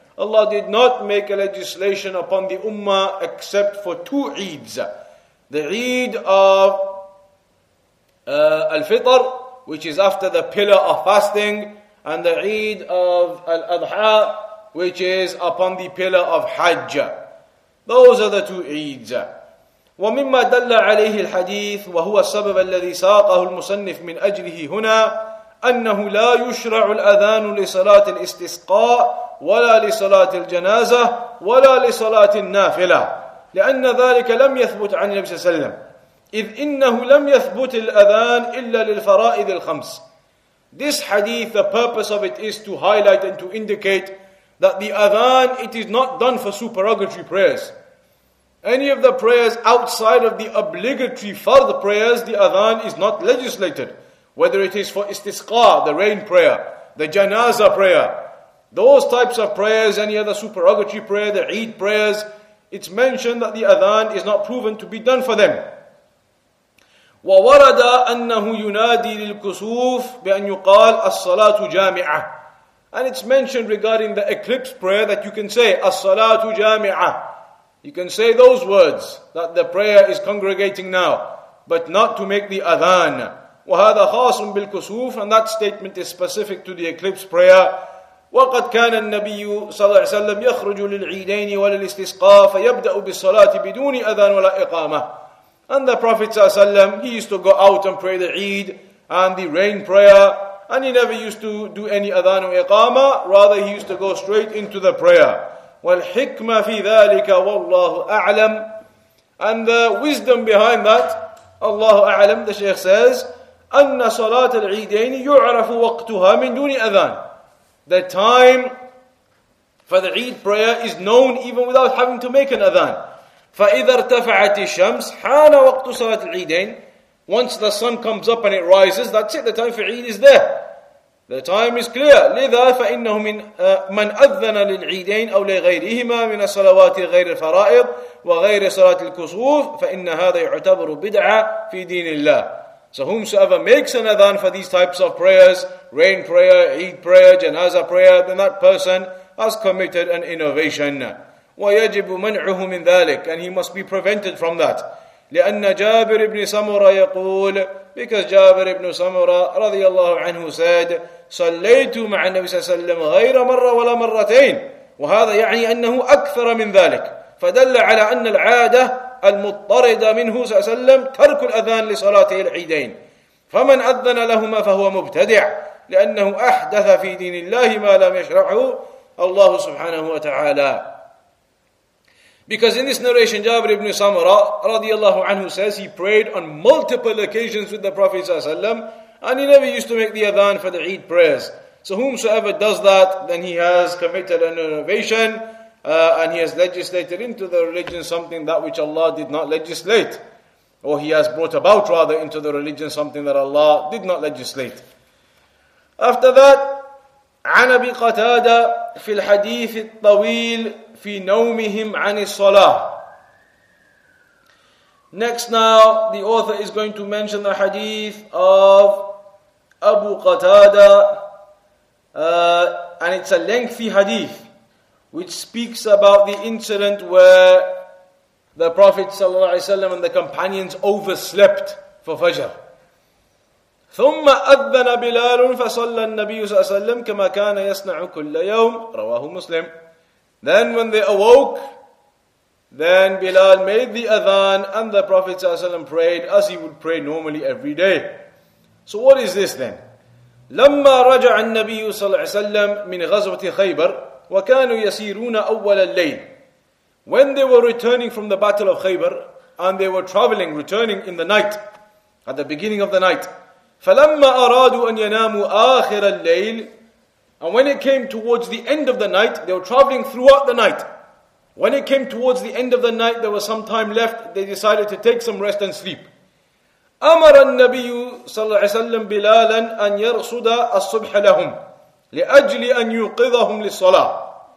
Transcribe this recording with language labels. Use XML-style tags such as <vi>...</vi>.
<en>Allah did not make a legislation upon the Ummah except for two Eids. The Eid of Al-Fitr, which is after the pillar of fasting, and the Eid of Al-Adha, which is upon the pillar of Hajj. Those are the two Eids.</en> <ar>وَمِمَّا دَلَّ عَلَيْهِ الْحَدِيثِ وَهُوَ السَّبَبَ الَّذِي سَاقَهُ الْمُسَنِّفْ مِنْ أَجْلِهِ هُنَا أنه لا يشرع الأذان لصلاة الاستسقاء ولا لصلاة الجنازة ولا لصلاة النافلة, لأن ذلك لم يثبت عن النبي صلى الله عليه وسلم, إذ إنه لم يثبت الأذان إلا للفرائض الخمس.</ar> <en>This hadith, the purpose of it is to highlight and to indicate that the Adhan, it is not done for supererogatory prayers. Any of the prayers outside of the obligatory fard prayers, the Adhan is not legislated. Whether it is for istisqa, the rain prayer, the janazah prayer, those types of prayers, any other supererogatory prayer, the Eid prayers, it's mentioned that the adhan is not proven to be done for them.</en> <ar>وَوَرَدَ أَنَّهُ يُنَادِي لِلْكُسُوفِ بِأَنْ يُقَالَ الصَّلَاةُ جَامِعَةً.</ar> <en>And it's mentioned regarding the eclipse prayer that you can say,</en> <ar>الصَّلَاةُ جَامِعَةً.</ar> <en>You can say those words, that the prayer is congregating now, but not to make the adhan.</en> <ar>وهذا خاص بالكسوف,</ar> <en>and that statement is specific to the eclipse prayer.</en> <ar>وقد كان النبي صلى الله عليه وسلم يخرج للعيدين وللاستسقاء فيبدأ بالصلاة بدون أذان ولا إقامة.</ar> <en>And the Prophet صلى الله عليه وسلم, he used to go out and pray the Eid and the rain prayer, and he never used to do any أذان وإقامة, rather he used to go straight into the prayer.</en> <ar>والحكمة في ذلك والله أعلم.</ar> <en>And the wisdom behind that,</en> <ar>الله أعلم,</ar> <en>the Shaykh says,</en> <ar>أن صلاة العيدين يعرف وقتها من دون أذان.</ar> <en>The time for the Eid prayer is known even without having to make an adhan. فإذا ارتفعت الشمس حان وقت صلاة العيدين. Once the sun comes up and it rises, that's it. The time for Eid is there. The time is clear.</en> <ar>لذا فإنه من من أذن للعيدين أو لغيرهما من الصلوات غير الفرائض وغير صلاة الكسوف فإن هذا يعتبر بدعة في دين الله.</ar> <en>So whomsoever makes an adhan for these types of prayers, rain prayer, Eid prayer, janaza prayer, then that person has committed an innovation.</en> <ar>وَيَجِبُ مَنْعُهُ مِنْ ذَلِكَ.</ar> <en>And he must be prevented from that.</en> <ar>لِأَنَّ جابر ابن سمرة يقول, because جابر ابن سمرة رضي الله عنه said, صليت مع النبي صلى الله عليه وسلم غير مرة ولا مرتين. وهذا يعني أنه أكثر من ذلك. فدل على أن العادة المضطردة منه صلى الله عليه وسلم ترك الأذان لصلاته العيدين. فمن أذن لهما فهو مبتدع, لأنه أحدث في دين الله ما لم يشرعه الله سبحانه وتعالى.</ar> <en>Because in this narration, Jabir ibn Samurah رضي الله عنه says he prayed on multiple occasions with the Prophet صلى الله عليه وسلم, and he never used to make the adhan for the Eid prayers. So whomsoever does that, then he has committed an innovation. And he has legislated into the religion something that which Allah did not legislate. Or he has brought about rather into the religion something that Allah did not legislate. After that,</en> <ar>عن أبي قتادة في الحديث الطويل في نومهم عن الصلاة.</ar> <en>Next now, the author is going to mention the hadith of Abu Qatada And it's a lengthy hadith which speaks about the incident where the Prophet ﷺ and the companions overslept for Fajr. ثم أذن بلال فصلى النبي صلى الله عليه وسلم كما كان يصنع كل يوم رواه مسلم. Then when they awoke, then Bilal made the adhan and the Prophet صلى الله عليه وسلم prayed as he would pray normally every day. So what is this then?</en> <ar>لما رجع النبي صلى الله عليه وسلم من غزوة خيبر وكانوا يسيرون أول الليل.</ar> <en>When they were returning from the battle of Khaybar and they were traveling, returning in the night, at the beginning of the night.</en> <ar>فَلَمَّا أَرَادُوا أَنْ يَنَامُوا آخِرَ الليل.</ar> <en>And when it came towards the end of the night, they were traveling throughout the night. When it came towards the end of the night, there was some time left, they decided to take some rest and sleep.</en> <ar>أَمَرَ النَّبِيُّ صَلَّى اللَّهُ عَلَيْهِ وَسَلَّمْ بِلَالًا أَنْ يَرْصُدَ الصُّبْحَ لَهُمْ لِأَجْلِ أَنْ يُقِذَهُمْ لِلصَّلَاةِ.</ar>